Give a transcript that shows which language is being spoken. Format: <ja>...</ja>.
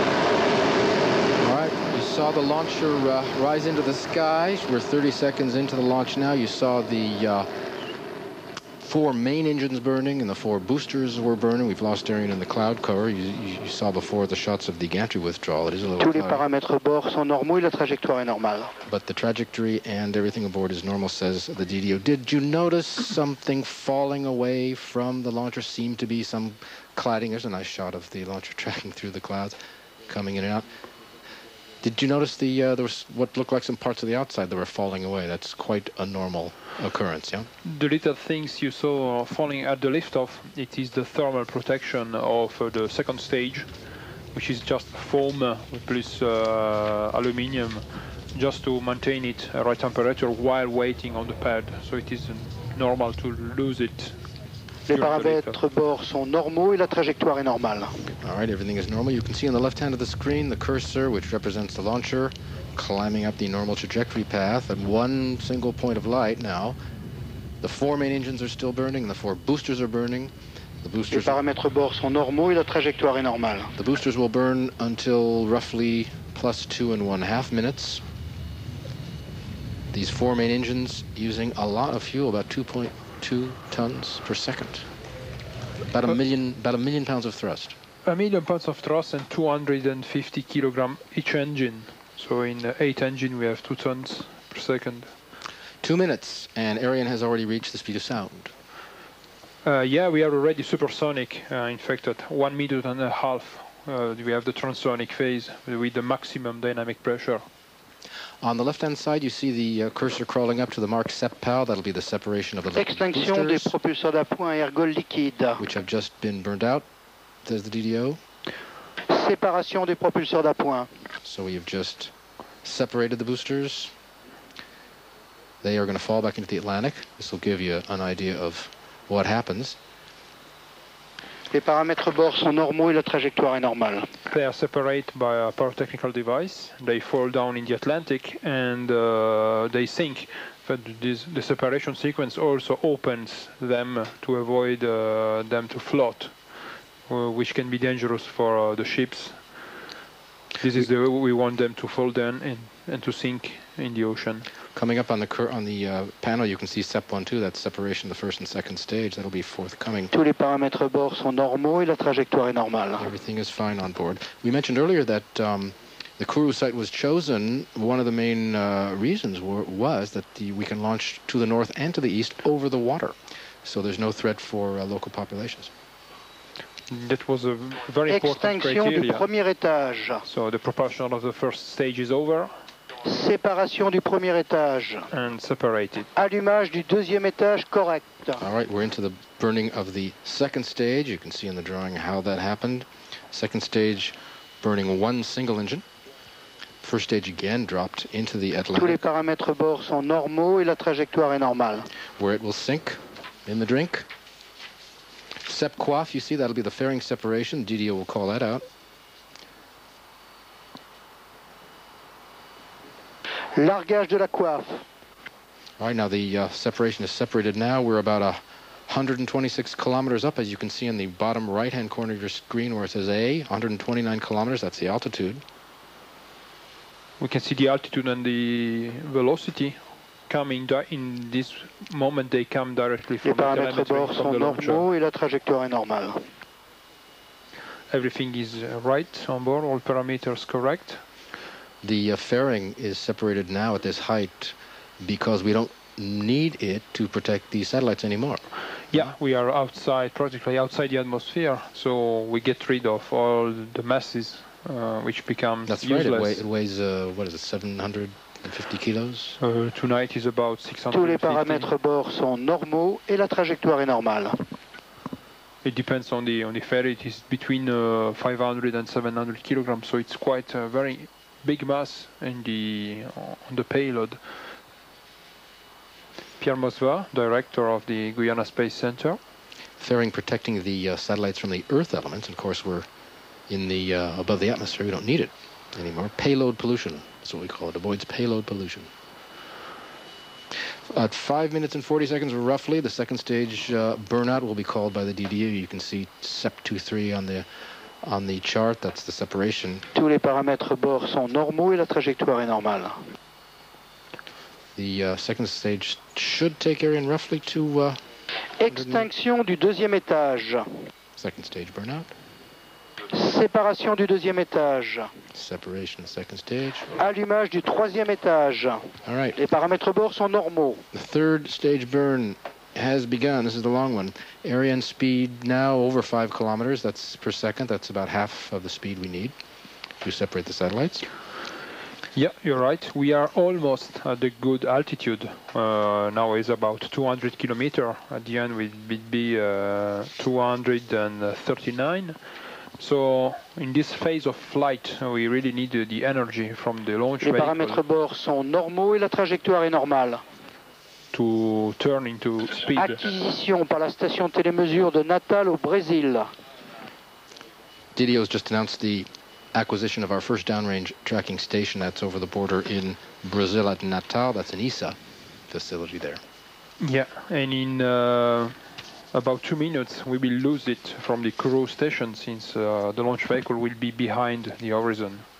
<en>All right, you saw the launcher rise into the sky. We're 30 seconds into the launch now. You saw the 4 main engines burning and the 4 boosters were burning. We've lost Ariane in the cloud cover. You saw before the shots of the gantry withdrawal. It is a little</en> <fr>cloudy. Tous les paramètres bord sont normaux et la trajectoire est normale.</fr> <en>But the trajectory and everything aboard is normal, says the DDO. Did you notice something falling away from the launcher? Seemed to be some cladding. There's a nice shot of the launcher tracking through the clouds, coming in and out. Did you notice the there was what looked like some parts of the outside that were falling away? That's quite a normal occurrence, yeah? The little things you saw falling at the liftoff, it is the thermal protection of the second stage, which is just foam plus aluminium, just to maintain it at right temperature while waiting on the pad. So it is normal to lose it.</en> <fr>Les paramètres bord sont normaux et la trajectoire est normale.</fr> <en>All right, everything is normal. You can see on the left hand of the screen the cursor, which represents the launcher, climbing up the normal trajectory path at one single point of light now. The 4 main engines are still burning, and the 4 boosters are burning. The boosters.</en> <fr>Les paramètres bord sont normaux et la trajectoire est normale.</fr> <en>The boosters will burn until roughly plus 2.5 minutes. These 4 main engines using a lot of fuel, about 2.2 tons per second. About a million pounds of thrust. 1 million pounds of thrust and 250 kilogram each engine. So in 8 engines we have 2 tons per second. 2 minutes and Ariane has already reached the speed of sound. We are already supersonic. In fact, at 1.5 minutes we have the transonic phase with the maximum dynamic pressure. On the left-hand side, you see the cursor crawling up to the mark SEPPOW. That'll be the separation of the liquid extinction boosters,</en> <fr>des propulseurs d'appoint à ergol liquide,</fr> <en>which have just been burned out. There's the DDO.</en> <fr>Séparation des propulseurs d'appoint.</fr> <en>So we have just separated the boosters. They are going to fall back into the Atlantic. This will give you an idea of what happens.</en> <fr>Les paramètres bord sont normaux et la trajectoire est normale.</fr> <en>They are separated by a pyrotechnical device. They fall down in the Atlantic and they sink. But this, the separation sequence also opens them to avoid them to float, which can be dangerous for the ships. This is the way we want them to fall down and to sink in the ocean. Coming up on the panel, you can see SEP-1-2, that's separation of the first and second stage. That'll be forthcoming.</en> <fr>Tous les paramètres bord sont normaux et la trajectoire est normale.</fr> <en>Everything is fine on board. We mentioned earlier that the Kourou site was chosen. One of the main reasons was that we can launch to the north and to the east over the water. So there's no threat for local populations. That was a very important criteria.</en> <fr>Extinction du premier étage.</fr> <en>So the propulsion of the first stage is over.</en> <fr>Séparation du premier étage.</fr> <en>And separated.</en> <fr>Allumage du deuxième étage correct.</fr> <en>All right, we're into the burning of the second stage. You can see in the drawing how that happened. Second stage burning one single engine. First stage again dropped into the Atlantic.</en> <fr>Tous les paramètres bord sont normaux et la trajectoire est normale.</fr> <en>Where it will sink in the drink. SEP-COIF, you see, that'll be the fairing separation. DDO will call that out.</en> <fr>Largage de la coiffe.</fr> <en>All right, now the separation is separated now. We're about 126 kilometers up, as you can see in the bottom right-hand corner of your screen where it says A, 129 kilometers, that's the altitude. We can see the altitude and the velocity coming in this moment. They come directly from the</en> <fr>paramètres bord sont normaux et la trajectoire est normale.</fr> <en>Everything is right on board, all parameters correct. The fairing is separated now at this height because we don't need it to protect the satellites anymore. Yeah, we are outside, practically outside the atmosphere, so we get rid of all the masses which become That's useless. That's right, it weighs 750 kilos? Tonight is about 650.</en> <fr>Tous les paramètres bord sont normaux et la trajectoire est normale.</fr> <en>It depends on the ferry, it is between 500 and 700 kilograms, so it's quite very big mass on the payload. Pierre Mosva, director of the Guiana Space Center. Fairing protecting the satellites from the Earth elements. Of course, we're in the above the atmosphere. We don't need it anymore. Payload pollution, that's what we call it. Avoids payload pollution. At 5 minutes and 40 seconds, roughly, the second stage burnout will be called by the DDO. You can see SEP-23 on the chart, that's the separation.</en> <fr>Tous les paramètres bord sont normaux et la trajectoire est normale.</fr> <en>The second stage should take Ariane roughly to...</en> <fr>Extinction du deuxième étage.</fr> <en>Second stage burnout.</en> <fr>Séparation du deuxième étage.</fr> <en>Separation, second stage.</en> <fr>Allumage du troisième étage.</fr> <en>All right.</en> <fr>Les paramètres bord sont normaux.</fr> <en>The third stage burn has begun. This is the long one. Ariane speed now over 5 kilometers. That's per second. That's about half of the speed we need to separate the satellites. Yeah, you're right. We are almost at the good altitude. Now it's about 200 kilometers. At the end, we'd be 239. So in this phase of flight, we really need the energy from the launch vehicle.</en> <fr>Les paramètres bord sont normaux et la trajectoire est normale.</fr> <en>To turn into speed.</en> <fr>Acquisition par la station télémesure de Natal au Brésil.</fr> <en>DDO has just announced the acquisition of our first downrange tracking station. That's over the border in Brazil at Natal. That's an ESA facility there. Yeah, and in about 2 minutes, we will lose it from the Kourou station since the launch vehicle will be behind the horizon.</en>